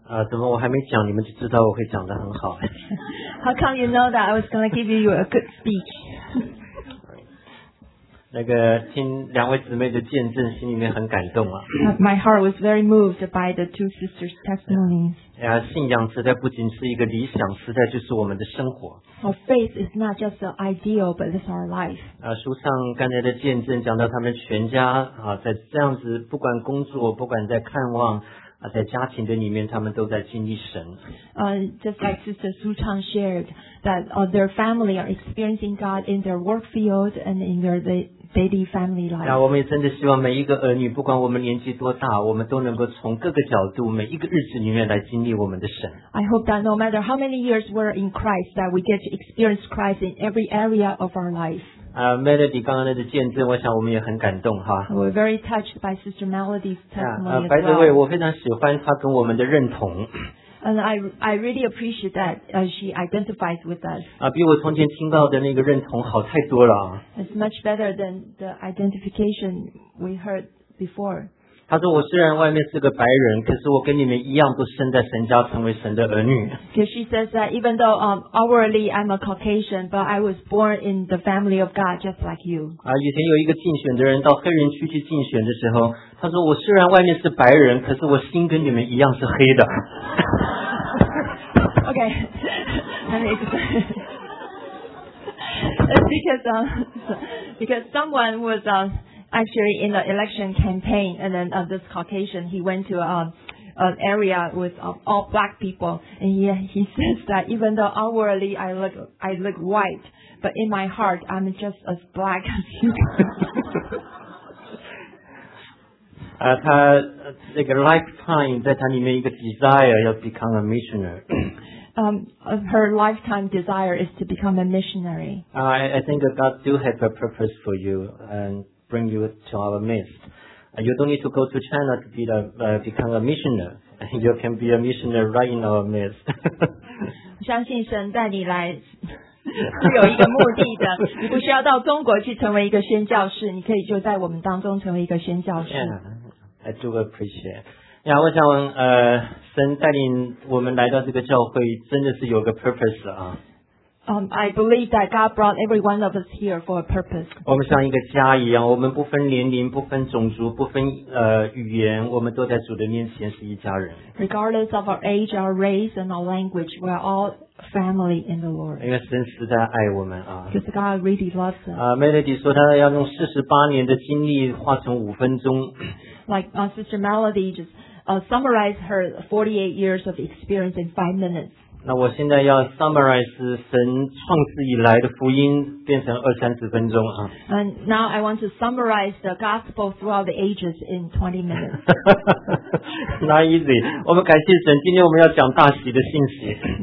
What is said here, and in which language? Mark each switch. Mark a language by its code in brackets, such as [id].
[zh] 怎么我还没讲你们就知道我会讲得很好。 [en] How come you know that I was going to give you a good speech? [zh] 那个听两位姊妹的见证心里面很感动啊。 [en] My heart was very moved by the two sisters' testimonies. [zh] 信仰实在不仅是一个理想，实在就是我们的生活。 [en] Our faith is not just an ideal, but it's our life. [zh] 书上刚才的见证讲到他们全家啊，在这样子不管工作不管在看望啊，在家庭的里面他们都在经历神。 [en] Just like Sister Su Chang shared, that their family are experiencing God in their work field and in their daily family life. [zh] 我们也真的希望每一个儿女不管我们年纪多大，我们都能够从各个角度每一个日子里面来经历我们的神。 [en] I hope that no matter how many years we're in Christ, that we get to experience Christ in every area of our life. [zh] Melody 刚刚的见证我想我们也很感动哈。 [en] We're very touched by Sister Melody's testimony as well. By the way, [zh] 我非常喜欢她跟我们的认同。 [en] And I really appreciate that she identifies with us. [zh] 比我从前听到的那个认同好太多了。 [en] It's much better than the identification we heard before. [zh] 她说我虽然外面是个白人，可是我跟你们一样都生在神家成为神的儿女。 [en] Because she says that even though outwardly I'm a Caucasian, but I was born in the family of God just like you. [zh] 以前有一个竞选的人到黑人区去竞选的时候，他说我虽然外面是白人，可是我心跟你们一样是黑的。 [en] Okay, that makes sense. It's because someone was actually in the election campaign, and then this Caucasian, he went to an area with all black people, and he says that even though outwardly I look white, but in my heart I'm just as black as you guys. [zh] 他那个 lifetime 在他里面一个 desire 要 [en] become a missionary. Her lifetime desire is to become a missionary. I think God do have a purpose for you and bring you to our midst. You don't need to go to China to be become a missionary. You can be a missionary right in our midst. [zh] 相信神带你来是有一个目的的，你不需要到中国去成为一个宣教士，你可以就在我们当中成为一个宣教士。 [en] I do appreciate. [zh] 我想神带领我们来到这个教会真的是有个 purpose 啊。 [en] I believe that God brought every one of us here for a purpose. [zh] 我们像一个家一样，我们不分年龄，不分种族，不分语言，我们都在主的面前是一家人。 [en] Regardless of our age, our race, and our language, we are all family in the Lord. [zh] 因为神实在爱我们啊。 [en] Because God really loves us. [zh] Melody 说她要用48年的经历化成五分钟。 [en] Like Sister Melody just summarized her 48 years of experience in 5 minutes. [zh] 那我现在要 summarize 神创世以来的福音变成二三十分钟啊。 [en] And now I want to summarize the gospel throughout the ages in 20 minutes. Not easy. [zh] 我们感谢神，今天我们要讲大喜的信息。